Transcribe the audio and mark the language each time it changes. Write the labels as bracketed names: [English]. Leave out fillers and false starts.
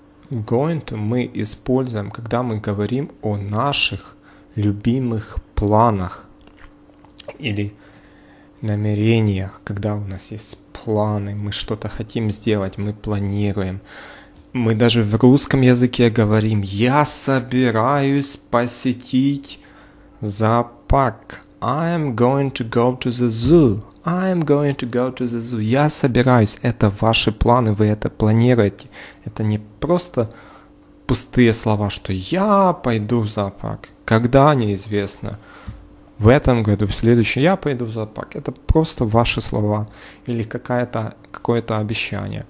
[Russian] Going to мы используем, когда мы говорим о наших любимых планах или намерениях, когда у нас есть планы, мы что-то хотим сделать, мы планируем. Мы даже в русском языке говорим, я собираюсь посетить зоопарк. [English] I am going to go to the zoo. I am going to go to the zoo. [Russian] Я собираюсь. Это ваши планы, вы это планируете. Это не просто пустые слова, что я пойду в зоопарк. Когда, неизвестно. В этом году, в следующем, я пойду в зоопарк. Это просто ваши слова или какое-то обещание.